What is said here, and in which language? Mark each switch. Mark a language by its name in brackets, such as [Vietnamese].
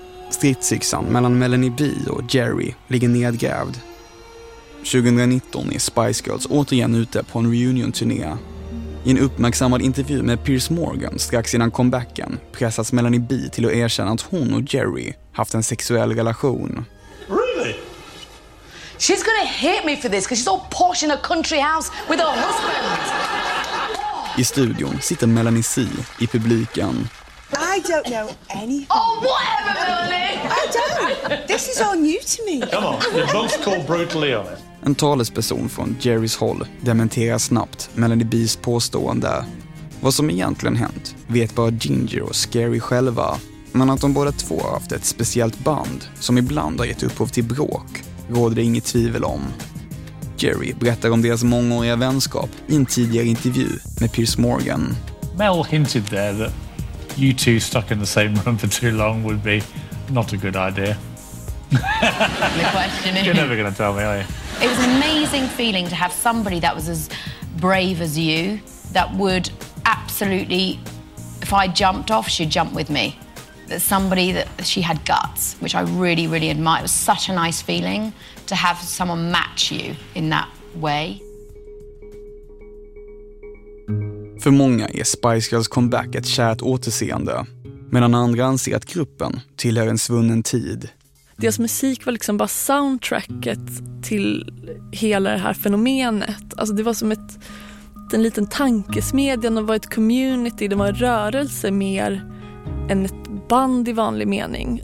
[Swedish] Stridsyxan mellan Melanie B och Jerry ligger nedgrävd. 2019 är Spice Girls återigen ute på en reunion-turné. I en uppmärksammad intervju med Piers Morgan strax innan comebacken pressas Melanie B till att erkänna att hon och Jerry haft en sexuell relation. [English] Really? She's gonna hate me for this because she's all posh in a country house with her husband. [Swedish] I studion sitter Melanie C i publiken. [English] I don't know anything. Oh, whatever, Melanie! I don't. This is all new to me. Come on, you're both called brutally honest. [Swedish] En talesperson från Jerrys håll dementerar snabbt Melanie B's påstående. Vad som egentligen hänt vet bara Ginger och Scary själva. Men att de båda två har haft ett speciellt band som ibland har gett upphov till bråk råder det inget tvivel om. Jerry berättar om deras mångåriga vänskap i en tidigare intervju med Piers Morgan. [English] Mel hinted there that you two stuck in the same room for too long would be not a good idea. The question is... You're never going to tell me, are you? It was an amazing feeling to have somebody that was as brave as you that would absolutely, if I jumped off, she'd jump with me. That somebody that she had guts, which I really, really admire. It was such a nice feeling to have someone match you in that way. [Swedish] För många är Spice Girls comeback ett kärt återseende, medan andra anser att gruppen tillhör en svunnen tid. Deras musik var liksom bara soundtracket till hela det här fenomenet. Alltså det var som en liten tankesmedja, det var ett community, det var en rörelse mer än ett band i vanlig mening.